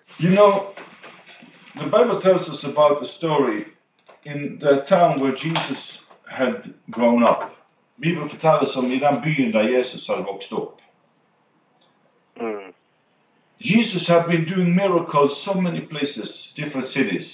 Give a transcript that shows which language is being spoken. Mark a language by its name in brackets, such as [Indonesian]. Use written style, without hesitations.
[English] You know, the Bible tells us about the story in the town where Jesus had grown up. [Norwegian] Bibelen forteller oss om i den byen der Jesus hadde vokst opp. [English] Jesus had been doing miracles so many places, different cities.